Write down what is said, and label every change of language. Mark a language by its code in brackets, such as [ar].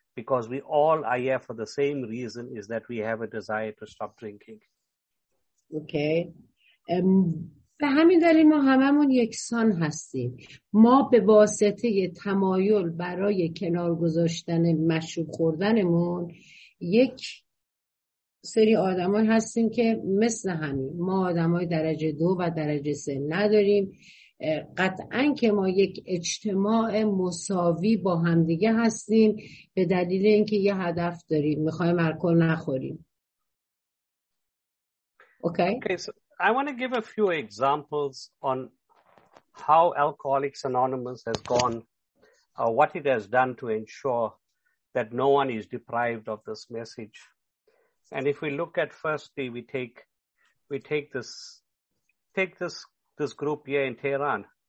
[en] Because we all are here for the same reason, is that we have a desire to stop drinking. Okay. [fa] به همین دلیل ما هممون یکسان هستیم. ما به واسطه تمایل برای کنار گذاشتن مشروب خوردنمون یک سری آدمان هستیم که مثل همین. ما آدمای درجه دو و درجه سه نداریم. قطعاً که ما یک اجتماع مساوی با همدیگه هستیم به دلیل اینکه یه هدف داریم، میخوایم الکل نخوریم. Okay, [en] so I want to give a few examples on how Alcoholics Anonymous has gone, what it has done to ensure that no one is deprived of this message. And if we look at firstly, we take this group here in Tehran.